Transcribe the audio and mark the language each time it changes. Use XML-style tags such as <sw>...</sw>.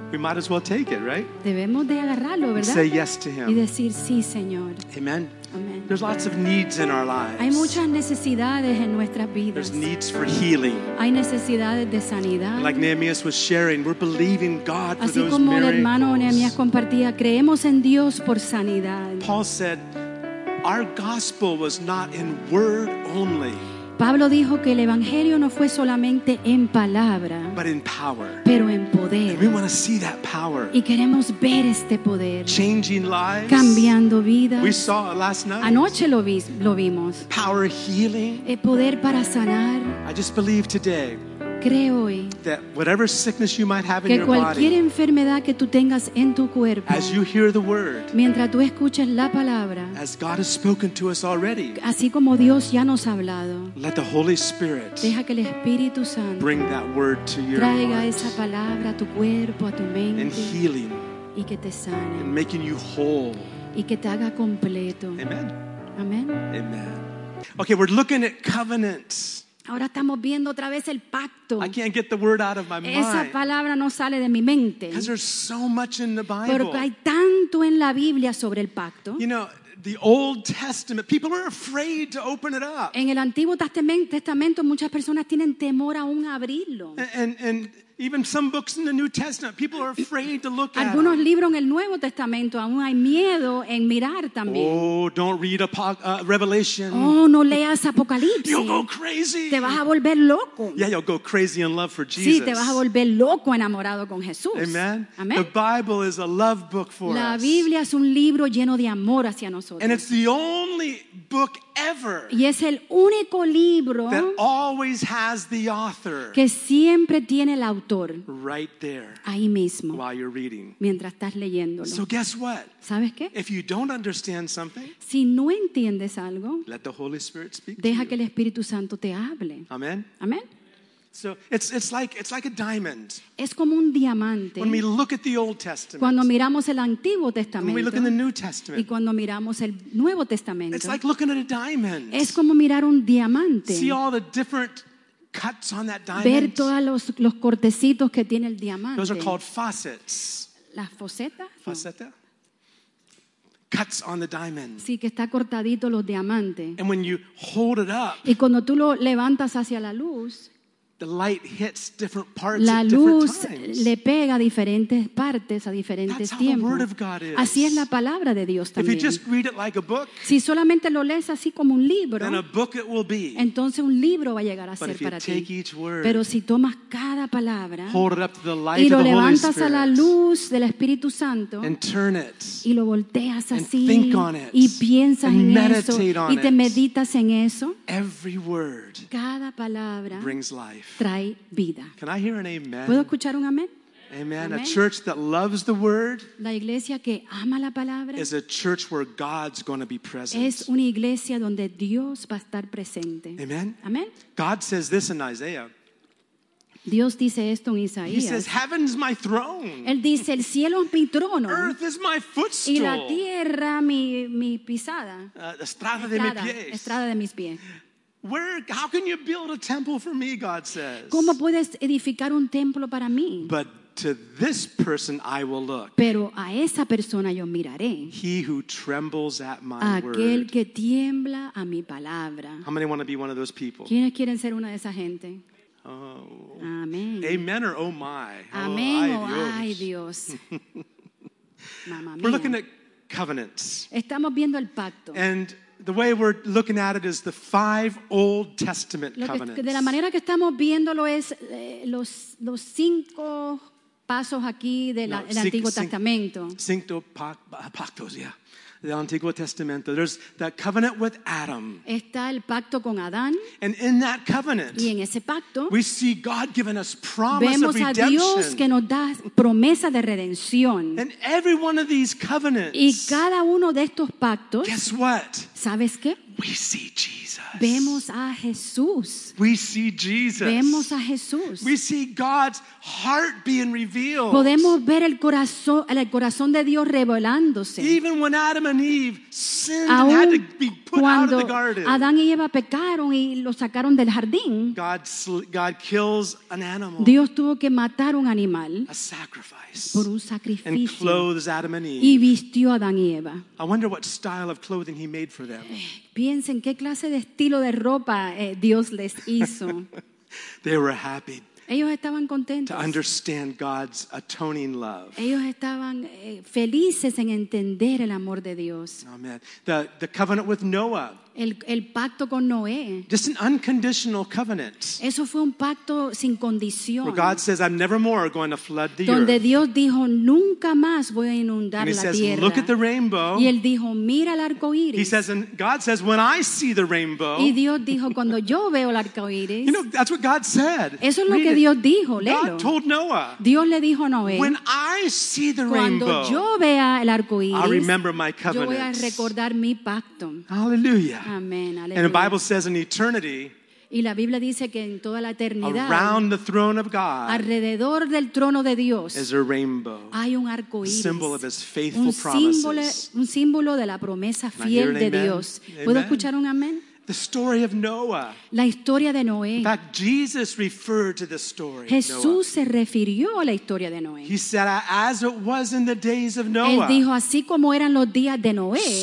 <en>We might as well take it, right?</en> <es>Debemos de agarrarlo, ¿verdad?</es> <en>Say yes to him.</en> <es>Y decir sí, Señor.</es> <en>Amen. There's lots of needs in our lives.</en> <es>Hay muchas necesidades en nuestras vidas.</es> <en>There's needs for healing.</en> <es>Hay necesidades de sanidad.</es> <en>And like Nehemiah was sharing, we're believing God</en> <es>así</es> <en>for those</en> <es>como</es> <en>miracles.</en> <es>El hermano Nehemiah compartía, creemos en Dios por sanidad.</es> <en>Paul said, our gospel was not in word only.</en> <es>Pablo dijo que el evangelio no fue solamente en palabra,</es> <en>but in power.</en> <es>Pero en poder.</es> <en>And we want to see that power.</en> <es>Y queremos ver este poder.</es> <en>Changing lives.</en> <es>Cambiando vidas.</es> <en>We saw it last night.</en> <es>Anoche lo vimos.</es> <en>Power healing.</en> <es>El poder para sanar.</es> <en>I just believe today.</en> <es>Creo hoy.</es> <en>That whatever sickness you might have in</en> <es>que</es> <en>your</en> <es>cualquier</es> <en>body,</en> <es>enfermedad que tú tengas en tu cuerpo.</es> <en>As you hear the word.</en> <es>Mientras tú escuchas la palabra.</es> <en>As God has spoken to us already.</en> <es>Así como Dios ya nos ha hablado.</es> <en>Let the Holy Spirit</en> <es>deja que el Espíritu Santo</es> <en>bring that word to your</en> <es>traiga</es> <en>heart,</en> <es>esa palabra a tu cuerpo, a tu mente,</es> <en>and healing,</en> <es>y que te sane,</es> <en>and making you whole,</en> <es>y que te haga completo.</es> <en>Amen.</en> <es>Amen.</es> <en>Amen. Okay, we're looking at covenants.</en> <es>Ahora estamos viendo otra vez el pacto.</es> <en>I can't get the word out of my mind.</en> <es>Esa palabra no sale de mi mente.</es> <en>Because there's so much in the Bible.</en> <es>Porque hay tanto en la Biblia sobre el pacto.</es> <en>You know, the Old Testament, people are afraid to open it up.</en> <es>En el Antiguo Testamento muchas personas tienen temor aún a abrirlo.</es> <en>And even some books in the New Testament, people are afraid to look at.</en> <es>Algunos libros en el Nuevo Testamento aún hay miedo en mirar también.</es> <en>Oh, don't read Revelation.</en> <es>Oh, no leas Apocalipsis.</es> <en>You'll go crazy.</en> <es>Te vas a volver loco.</es> <en>Yeah, you'll go crazy in love for Jesus.</en> <es>Sí, te vas a volver loco enamorado con Jesús.</es> <en>Amen.</en> <es>Amen.</es> <en>The Bible is a love book for us.</en> <es>La Biblia es un libro lleno de amor hacia nosotros.</es> <en>And it's the only book ever.</en> <es>Y es el único libro</es> <en>that always has the author.</en> <es>Que siempre tiene el autor.</es> <en>Right there,</en> <es>ahí mismo,</es> <en>while you're reading.</en> <es>Mientras estás leyéndolo.</es> <en>So guess what?</en> <es>¿Sabes qué?</es> <en>If you don't understand something,</en> <es>si no entiendes algo,</es> <en>let the Holy Spirit speak.</en> <es>Deja</es> <en>to</en> <es>que</es> <en>you.</en> <es>El Espíritu Santo te hable.</es> <en>Amen.</en> <es>Amen.</es> <en>So it's like a diamond.</en> <es>Es como un diamante.</es> <en>When we look at the Old Testament,</en> <es>cuando miramos el Antiguo Testamento,</es> <en>when we look in the New Testament,</en> <es>y cuando miramos el Nuevo Testamento,</es> <en>it's like looking at a diamond.</en> <es>Es como mirar un diamante.</es> <en>See all the different cuts on that diamond.</en> <es>Ver todos los cortecitos que tiene el diamante.</es> <en>Those are called facets.</en> <es>Las facetas.</es> <en>Faceta. Cuts on the diamond.</en> <es>Sí, que está cortadito los diamantes.</es> <en>And when you hold it up.</en> <es>Y cuando tú lo levantas hacia la luz.</es> <en>The light hits different parts.</en> <es>La luz</es> <en>at different</en> <es>times. Le pega a diferentes partes a diferentes tiempos.</es> <en>That's how the word of God is.</en> <es>Así es la palabra de Dios también.</es> <en>If you just read it like a book,</en> <es>si solamente lo lees así como un libro,</es> <en>then a book it will be.</en> <es>Entonces un libro va a llegar a</es> <en>but</en> <es>ser</es> <en>if you</en> <es>para</es> <en>take</en> <es>ti.</es> <en>Each word,</en> <es>pero si tomas cada palabra,</es> <en>hold it up to the light</en> <es>y lo</es> <en>of the</en> <es>levantas</es> <en>Holy Spirit,</en> <es>a la luz del Espíritu Santo,</es> <en>and turn it,</en> <es>y lo volteas así,</es> <en>and think on it,</en> <es>y piensas</es> <en>and</en> <es>en</es> <en>meditate</en> <es>eso,</es> <en>on</en> <es>y te</es> <en>it,</en> <es>meditas en eso,</es> <en>every word</en> <es>cada palabra</es> <en>brings life.</en> <es>Trae vida.</es> <en>Can I hear an amen?</en> <es>¿Puedo escuchar un amén?</es> <en>Amen. A church that loves the word,</en> <es>la iglesia que ama la palabra,</es> <en>is a church where God's going to be present.</en> <es>Es una iglesia donde Dios va a estar presente.</es> <en>Amen.</en> <es>Amen.</es> <en>God says this in Isaiah.</en> <es>Dios dice esto en Isaías.</es> <en>He says, "Heaven's my throne."</en> <es>Él dice, el cielo es mi trono.</es> <en>Earth is my footstool.</en> <es>Y la tierra mi pisada. Estrada de mis pies. Estrada de mis pies.</es> <en>How can you build a temple for me? God says.</en> <es>¿Cómo puedes edificar un templo para mí?</es> <en>But to this person I will look.</en> <es>Pero a esa persona yo miraré.</es> <en>He who trembles at my</en> <es>aquel</es> <en>word.</en> <es>Que tiembla a mi palabra.</es> <en>How many want to be one of those people?</en> <es>¿Quiénes quieren ser una de esa gente? Oh. Amen.</es> <en>Amen or oh my.</en> <es>Amen o oh, ay Dios.</es> <en>We're looking at covenants.</en> <es>Estamos viendo el pacto.</es> <en>And the way we're looking at it is the five Old Testament covenants.</en> <es>De la manera que estamos viéndolo es los cinco pasos aquí del Antiguo Testamento. Cinco pactos,</es> <en>yeah. The</en> <es>Antiguo Testamento.</es> <en>There's that covenant with Adam.</en> <es>Está el pacto con Adán.</es> <en>And in that covenant,</en> <es>y en ese pacto,</es> <en>we see God giving us promise</en> <es>vemos</es> <en>a redemption.</en> <es>Dios que nos da promesa de redención.</es> <en>And every one of these covenants,</en> <es>y cada uno de estos pactos,</es> <en>guess what?</en> <es>¿Sabes qué?</es> <en>We see Jesus.</en> <es>Vemos a Jesús.</es> <en>We see Jesus.</en> <es>Vemos a Jesús.</es> <en>We see God's heart being revealed.</en> <es>Podemos ver el corazón de Dios revelándose.</es> <en>Even when Adam and Eve sinned and had to be put out of the garden.</en> <es>Adán y Eva pecaron y lo sacaron del jardín.</es> <en>God kills an animal.</en> <es>Dios tuvo que matar un animal.</es> <en>A sacrifice.</en> <es>Por un sacrificio.</es> <en>And clothes Adam and Eve.</en> <es>Y vistió a Adán y Eva.</es> <en>I wonder what style of clothing he made for them.</en> <es>Piensen qué clase de estilo de ropa Dios les hizo.</es> <en>They were happy.</en> <es>Ellos estaban contentos.</es> <en>To understand God's atoning love.</en> <es>Ellos estaban felices en entender el amor de Dios.</es> <en>Amen. The covenant with Noah.</en> <es>El pacto con Noé.</es> <en>Just an unconditional covenant.</en> <es>Eso fue un pacto sin condición.</es> <en>Where God says, "I'm never more going to flood the</en> <es>donde</es> <en>earth."</en> <es>Donde Dios dijo, "Nunca más voy a inundar</es> <en>and</en> <es>la tierra."</es> <en>He says, "Look at the rainbow."</en> <es>Y él dijo, "Mira el arco iris."</es> <en>He says, and God says, "When I see the rainbow."</en> <es>Y Dios dijo, "Cuando yo veo el arco iris."</es> <en>You know, that's what God said.</en> <es>Eso es lo que Dios dijo.</es> <en>God told Noah.</en> <es>Dios le dijo a Noé.</es> <en>"When I see the rainbow."</en> <es>Cuando yo vea el arco iris.</es> <en>I'll remember my covenant.</en> <es>Yo voy a recordar mi pacto.</es> <en>Hallelujah.</en> <es>Amen.</es> <en>And the Bible says in eternity,</en> <es>y la Biblia dice que en toda la eternidad,</es> <en>around the throne of God,</en> <es>alrededor del trono de Dios,</es> <en>is a rainbow,</en> <es>hay un arco iris,</es> <en>symbol of his faithful promises.</en> <es>Un símbolo de la promesa fiel de Dios.</es> <en>Amen.</en> <es>¿Puedo escuchar un amén?</es> <en>The story of Noah.</en> <es>La historia de Noé.</es> <en>In fact, Jesus referred to the story.</en> <es>Jesús Noah. Se refirió a la historia de Noé.</es> <en>He said, "As it was in the days of Noah."</en> <es>Él dijo, así como eran los días de Noé.</es>